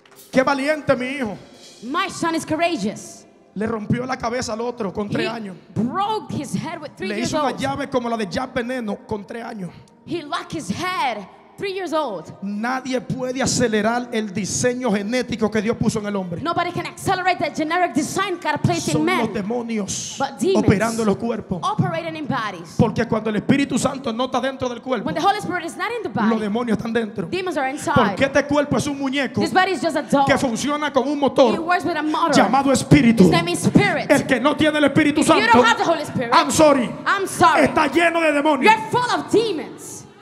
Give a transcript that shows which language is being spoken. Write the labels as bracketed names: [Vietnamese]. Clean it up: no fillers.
[Spanish] Qué valiente mi hijo. [English] My son is courageous. [Spanish] Le rompió la cabeza al otro con 3 años. [English] Broke his head with 3 [Spanish] le [English] years [Spanish] hizo una [English] old. [Spanish] Llave como la de Jack Veneno con 3 años. [English] He locked his head 3 years old. [Spanish] Nadie puede acelerar el diseño genético que Dios puso en el hombre. [English] Nobody can accelerate that generic design God placed in men. [Spanish] Son los demonios [English] but demons [Spanish] operando en los cuerpos. [English] Operating in bodies. [Spanish] Porque cuando el Espíritu Santo no está dentro del cuerpo, [English] when the Holy Spirit is not in the body, [Spanish] los demonios están dentro. [English] Demons are inside. [Spanish] Porque este cuerpo es un muñeco. [English] This body is just a doll. [Spanish] Que funciona con un motor. [English] It works with a motor. [Spanish] Llamado Espíritu. [English] His name is Spirit. [Spanish] El que no tiene el Espíritu [English] if [Spanish] Santo, [English] you don't have the Holy Spirit, I'm sorry. [Spanish] Está lleno de demonios. [English] You're full of demons.